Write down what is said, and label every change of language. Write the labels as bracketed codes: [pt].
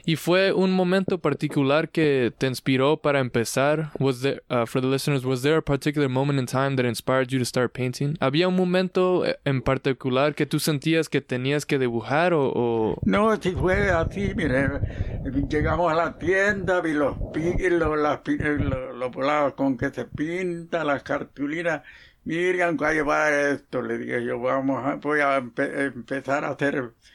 [es] ¿Y fue un momento particular que te inspiró para empezar? [en] Was there, for the listeners, was there a particular moment in time that inspired you to start painting? [es] ¿Había un momento en particular que tú sentías que tenías que dibujar o...? No, si fue así, mire, llegamos a la tienda, vi los pilos, los con que se pinta, las cartulinas. Miriam, ¿cuál va esto? Le dije yo, voy a empezar a hacer...